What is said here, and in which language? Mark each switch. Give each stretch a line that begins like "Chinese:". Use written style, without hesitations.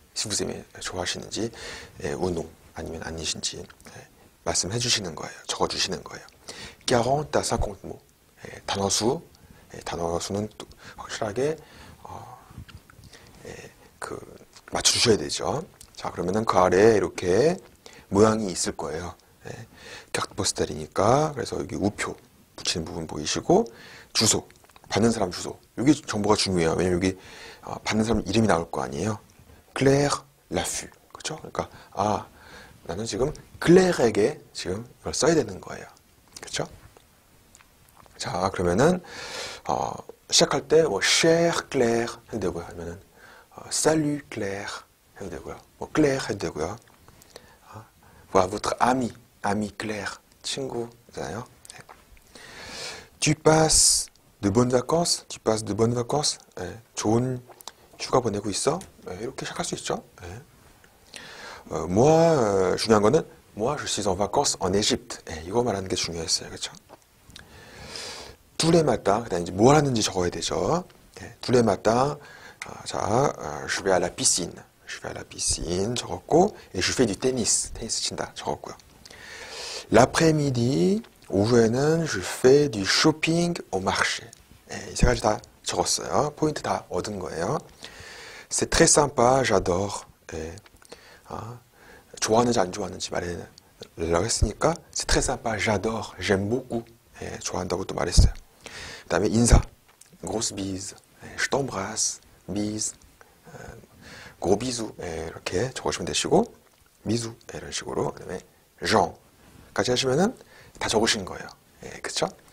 French: Si vous aimez
Korean: 좋아하시는지 예.
French: ou non
Korean: 아니면 아니신지. 예. 말씀해 주시는 거예요. 적어 주시는 거예요.
French: 40 à 50 mots.
Korean: 예, 단어수. 예, 단어수는 또 확실하게 예, 그 맞춰 주셔야 되죠. 자, 그러면은 그 아래 이렇게 모양이 있을 거예요. 예. 격포스텔이니까 그래서 여기 우표 붙이는 부분 보이시고 주소. 받는 사람 주소. 여기 정보가 중요해요. 왜냐면 여기 받는 사람 이름이 나올 거 아니에요. Claire Lafu. 그렇죠? 그러니까 아 나는 지금 클레어에게 지금 이걸 써야 되는 거예요. 그렇죠? 자, 그러면은 시작할 때 뭐
French: Cher Claire
Korean: 해도 되고요. 아니면은
French: Salut Claire
Korean: 해도 되고요. 뭐 Claire 해도 되고요. 와
French: votre ami, ami Claire
Korean: 친구잖아요.
French: 네. Tu passes de bonnes vacances? Tu passes de bonnes vacances? 네.
Korean: 좋은 휴가 보내고 있어? 네, 이렇게 시작할 수 있죠. 네.
French: Moi,
Korean: 중요한 거는
French: moi je suis en vacances en Égypte.
Korean: 예, 이거 말하는 게 중요했어요, 그렇죠? 둘레마땅, 그다음 이제 뭐 하는지 적어야 되죠.
French: 예, 둘레마땅, 자, je vais à la piscine. Je vais à la piscine.
Korean: 적었고,
French: et je fais du tennis.
Korean: 테니스 친다. 적었고요.
French: L'après-midi,
Korean: 오후에는
French: je fais du shopping au marché.
Korean: 예, 이 세 가지 다 적었어요. 포인트 다 얻은 거예요.
French: C'est très sympa. J'adore.
Korean: 예. 좋아하는지 안 좋아하는지 말해달라고 했으니까
French: C'est très sympa, j'adore, j'aime beaucoup.
Korean: 예, 좋아한다고 또 말했어요. 그 다음에 인사.
French: Grosse bise, je t'embrasse, bise, gros bisou.
Korean: 예, 이렇게 적으시면 되시고 미수 예, 이런 식으로 그 다음에 Jean 까지 하시면은 다 적으신 거예요. 예, 그쵸?